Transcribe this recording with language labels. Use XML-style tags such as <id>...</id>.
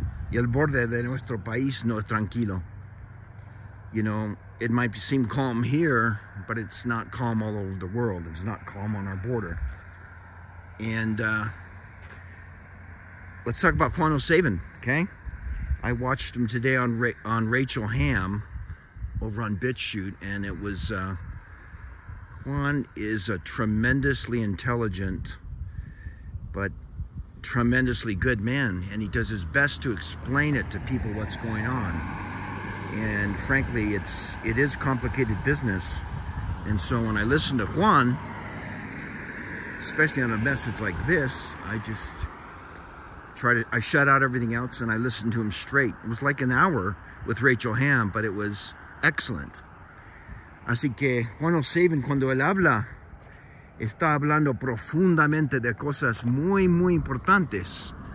<es>Y el borde de nuestro país no es tranquilo.</es> <en>You know, it might seem calm here, but it's not calm all over the world. It's not calm on our border. And let's talk about Juan Osaven, okay? I watched him today on Rachel Ham over on BitChute, and it was, Juan is a tremendously intelligent, but tremendously good man, and he does his best to explain it to people what's going on. And frankly, it is complicated business. And so when I listen to Juan, especially on a message like this, I shut out everything else and I listened to him straight. It was like an hour with Rachel Ham, but it was excellent.</en> <es>Así que Juan Osaven, cuando él habla, está hablando profundamente de cosas muy, muy importantes.</es>